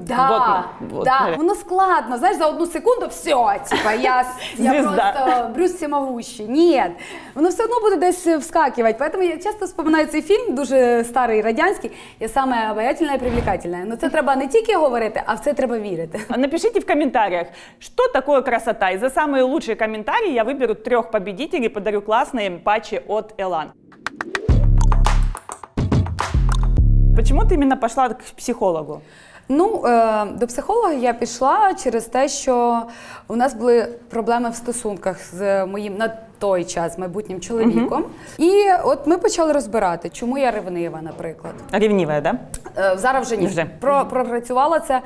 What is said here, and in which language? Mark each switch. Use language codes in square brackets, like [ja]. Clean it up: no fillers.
[uk] Да, вот, вот. Да. Воно складно, знаєш, за одну секунду все, типу, я просто Брюс всемогущий. Ні, воно все одно буде десь вскакувати. Тому я часто вспоминаю цей фільм, дуже старий, радянський, я саме обаятельна і привлекательна. Ну це треба не тільки говорити, а в це треба вірити. Напишіть в коментарях, що таке красота. [ru] І за самые лучшие комментарии я выберу 3 победителей и подарю классные патчи от Elan. Почему ты именно пошла к психологу? [uk] Ну, до психолога я пішла через те, що у нас були проблеми в стосунках з моїм на той час майбутнім чоловіком. Угу. І от ми почали розбирати, чому я ревнива, наприклад. Рівнива, да? Зараз вже ні. Вже. Пропрацювала це.